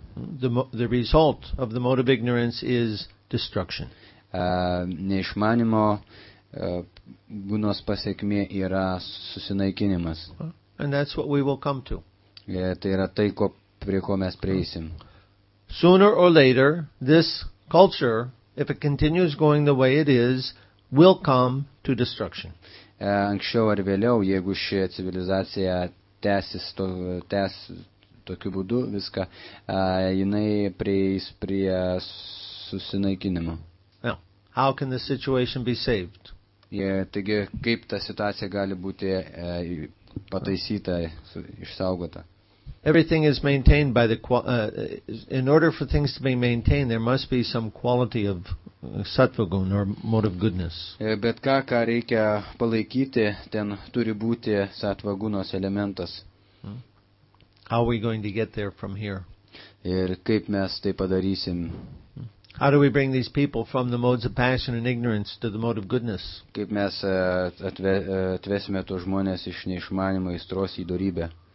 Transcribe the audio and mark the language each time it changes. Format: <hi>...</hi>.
<en>the result of the mode of ignorance is destruction.</en> <lt>Neišmanimo būnos pasekmė yra susinaikinimas.</lt> <en>And that's what we will come to.</en> <lt>Tai yra tai, prie ko mes prieisim.</lt> <en>Sooner or later, this culture, if it continues going the way it is, will come to destruction.</en> <lt>Anksčiau ar vėliau, jeigu ši civilizacija tęs tokiu būdu viską, jinai prieis prie susinaikinimo.</lt> <en>Now, how can the situation be saved?</en> <lt>Taigi, kaip ta situacija gali būti pataisyta, išsaugota?</lt> <en>Everything is maintained by the in order for things to be maintained, there must be some quality of sattvagun or mode of goodness.</en> <lt>Bet ką reikia palaikyti, ten turi būti sattvagunos elementas.</lt> <en>How are we going to get there from here?</en> <lt>Ir kaip mes tai padarysim?</lt> <en>How do we bring these people from the modes of passion and ignorance to the mode of goodness?</en> <lt>Kaip mes atvesime tuos žmones iš neišmanimo aistros į dorybę?</lt>